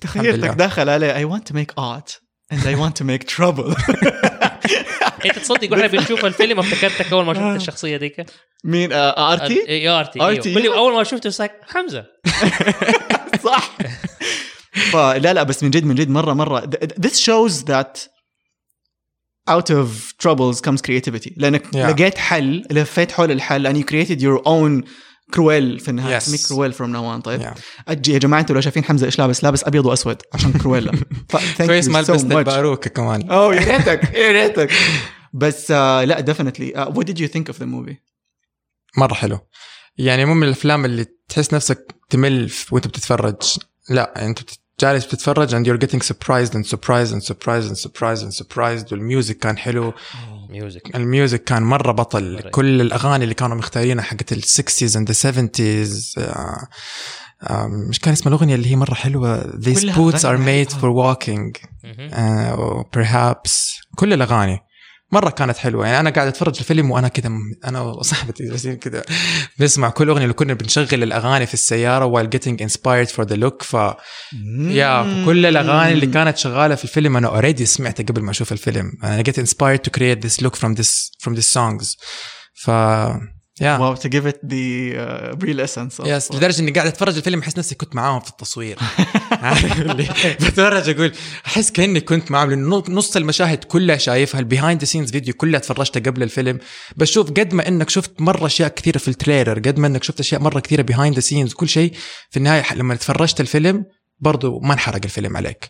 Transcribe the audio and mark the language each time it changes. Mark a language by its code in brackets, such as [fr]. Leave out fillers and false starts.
[ar] تخيلتك داخل عليه, [en] I want to make art and I want to make trouble. [ar] انت تصدق واحنا بنشوف الفيلم افتكرتك اول ما شفت الشخصية ديك. مين ارتي؟ اي ارتي. اول ما شفته ساك حمزة. صح. فلا لا بس من جد من جد مرة مرة. [en] This shows that out of troubles comes creativity. [ar] لانك لقيت حل, لفيت حول الحل, [en] and you created your own [ar] كرويل في النهاية. [en] yes. Make cruel from now on. [ar] طيب أجي يا جماعة, أنتوا لو شايفين حمزة إيش لابس, لابس أبيض وأسود عشان كرويلا. كويس ما لبست الباروكة كمان. أوه يريتك يريتك. بس لا [en] definitely. What did you think of the movie؟ [ar] مرة حلو. يعني مو من الأفلام اللي تحس نفسك تمل وأنت بتتفرج, لا أنت جالس بتتفرج [en] and you're getting surprised and surprised [ar] and surprised and surprised and surprised. والميوزك كان حلو. الميوزك كان مرة بطل. كل الأغاني اللي كانوا مختارينها حقت الـ 60s [en] and the 70s. [ar] مش كان اسم الأغنية اللي هي مرة حلوة, [en] These boots are made for walking perhaps. [ar] كل الأغاني مرة كانت حلوة. يعني أنا قاعد أتفرج الفيلم وأنا كده أنا وصاحبتي جالسين كده بنسمع كل أغنية, اللي كنا بنشغل الأغاني في السيارة [en] while getting inspired for the look. [ar] ف يا كل الأغاني اللي كانت شغالة في الفيلم أنا [en] already [ar] سمعتها قبل ما أشوف الفيلم. أنا [en] get inspired to create this look from this songs. ف yeah. Wow, to give it the real essence. [ar] Yes, لدرجة إني قاعد أتفرج الفيلم أحس نفسي كنت معاهم في التصوير. بتفرج أقول أحس كأني كنت معاهم, نص المشاهد كلها شايفها, البيهايند سينز فيديو كلها تفرجتها قبل الفيلم. بشوف قد ما إنك شفت مرة أشياء كثيرة في التريلر, قد ما إنك شفت أشياء مرة كثيرة بيهايند سينز كل شيء, في النهاية لما تفرجت الفيلم برضو ما نحرق الفيلم عليك.